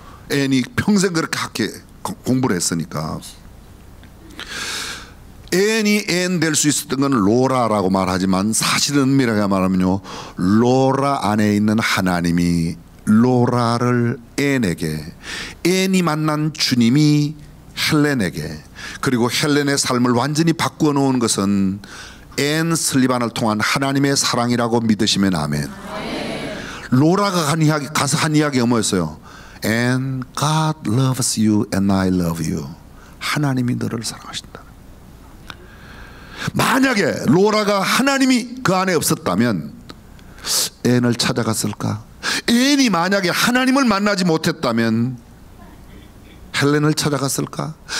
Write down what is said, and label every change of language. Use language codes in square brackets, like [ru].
[ko] 앤이 평생 그렇게 학회 공부를 했으니까 앤이 앤 될 수 있었던 건 로라라고 말하지만 사실은 은밀하게 말하면요 로라 안에 있는 하나님이 로라를 앤에게 앤이 만난 주님이 헬렌에게 그리고 헬렌의 삶을 완전히 바꾸어 놓은 것은 앤 슬리반을 통한 하나님의 사랑이라고 믿으시면 아멘. 로라가 한 이야기, 가서 한 이야기가 뭐였어요? [en] And God loves you and I love you. [ko] 하나님이 너를 사랑하신다. 만약에 로라가 하나님이 그 안에 없었다면 앤을 찾아갔을까? 앤이 만약에 하나님을 만나지 못했다면 헬렌을 찾아갔을까?